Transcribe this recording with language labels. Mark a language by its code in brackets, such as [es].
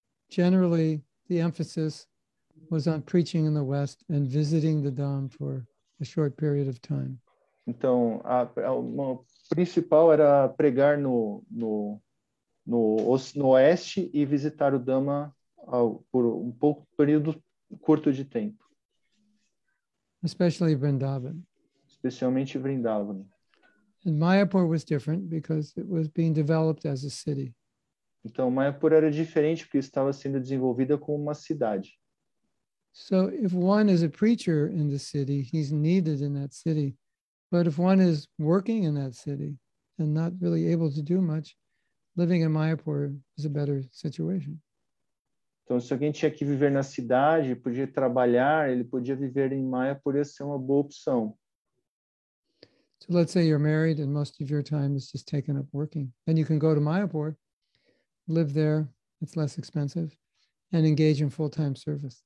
[en] generally the emphasis was on preaching in the West and visiting the Dham for a short period of time. [pt] Então, o principal era pregar no Oeste e visitar o Dhamma por um pouco período curto de tempo. [en] Especially Vrindavan. [pt] Especialmente Vrindavan. [en] And Mayapur was different because it was being developed as a city. [pt] Então, Mayapur era diferente porque estava sendo desenvolvida como uma cidade. [en] So if one is a preacher in the city, he's needed in that city. But if one is working in that city and not really able to do much, living in Mayapur is a better situation. [pt] Então, se alguém tinha que viver na cidade, podia trabalhar, ele podia viver em Mayapur, ia ser uma boa opção. [en] So let's say you're married and most of your time is just taken up working. And you can go to Mayapur, live there, it's less expensive, and engage in full-time service.